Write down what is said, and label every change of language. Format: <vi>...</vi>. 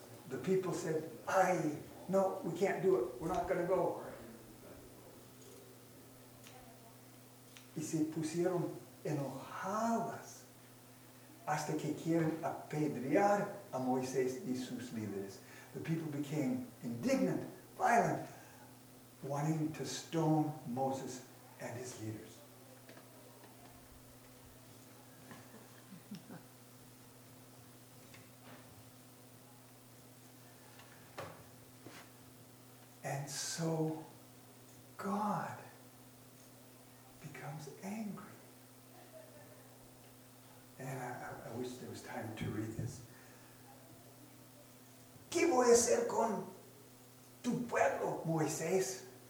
<en>The people said, no, we can't do it. We're not going to go.</en> <es>Y se pusieron enojadas hasta que quieren apedrear a Moisés y sus líderes.</es> <en>The people became indignant, violent, wanting to stone Moses and his leaders. And so God becomes angry. And I wish there was time to read this.</en> <es>¿Qué voy a hacer con tu pueblo, Moisés?</es>